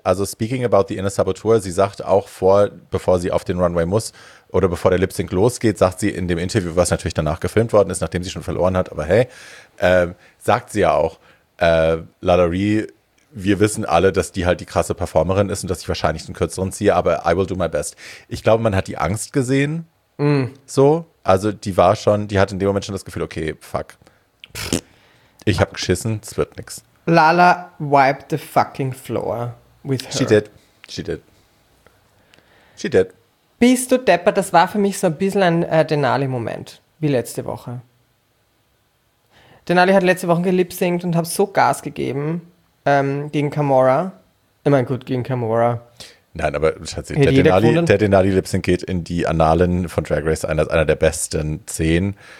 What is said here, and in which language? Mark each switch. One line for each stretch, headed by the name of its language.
German: Also speaking about the Inner Saboteur, sie sagt auch bevor sie auf den Runway muss oder bevor der Lip-Sync losgeht, sagt sie in dem Interview, was natürlich danach gefilmt worden ist, nachdem sie schon verloren hat, aber hey, sagt sie ja auch, Lalari wir wissen alle, dass die halt die krasse Performerin ist und dass ich wahrscheinlich den kürzeren ziehe, aber
English: I will do my best.
German: Ich glaube, man hat die Angst gesehen. Mm. So, also die war schon, die hat in dem Moment schon das Gefühl, okay, fuck. Ich hab geschissen, es wird nix.
English: Lala wiped the fucking floor with her. She did. She did. She did.
German: Bist du deppert? Das war für mich so ein bisschen ein Denali-Moment, wie letzte Woche. Denali hat letzte Woche gelipsynkt und hab so Gas gegeben gegen Kamora. Ich meine, gut, gegen Kamora. Nein, aber Schatz, der Denali-Lipsync geht in die Annalen von Drag Race, einer der besten 10.